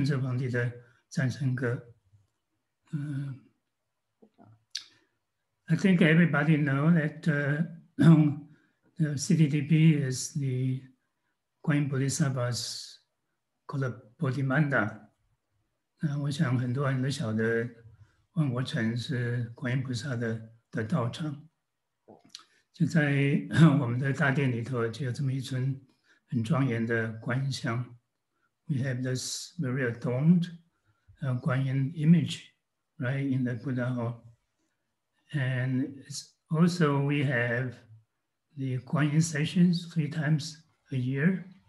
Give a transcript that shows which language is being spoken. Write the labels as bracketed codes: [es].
[zh] 那今天我想和大家一起来讨论这个清朝顺治皇帝的赞成歌。 [en] I think everybody know that the CDDB is the Guanyin Bodhisattva's called the Bodhimanda. [zh] 那我想很多人都晓得万国城是观音菩萨的道场。就在我们的大殿里头，就有这么一尊很庄严的观音像。 [en] We have this very adorned Guanyin image right in the Buddha hall. And it's also we have the Guanyin sessions three times a year.